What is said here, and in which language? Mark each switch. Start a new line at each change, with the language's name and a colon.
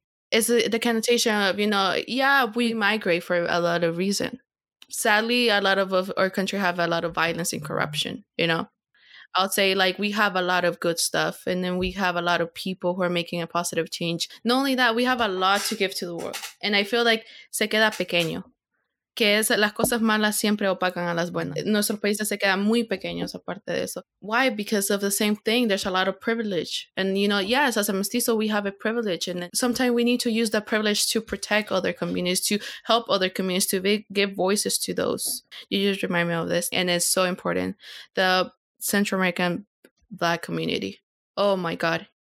English: It's the connotation of, you know, yeah, we migrate for a lot of reason. Sadly, a lot of our country have a lot of violence and corruption, you know. I'll say, like, we have a lot of good stuff, and then we have a lot of people who are making a positive change. Not only that, we have a lot to give to the world. And I feel like
Spanish: se queda pequeño. Que es las cosas malas siempre opacan a las buenas. Nuestros países se quedan muy pequeños aparte de eso.
English: Why? Because of the same thing. There's a lot of privilege. And, you know, yes, as a mestizo, we have a privilege. And sometimes we need to use that privilege to protect other communities, to help other communities, to give voices to those. You just remind me of this. And it's so important. The Central American Black community. Oh, my God.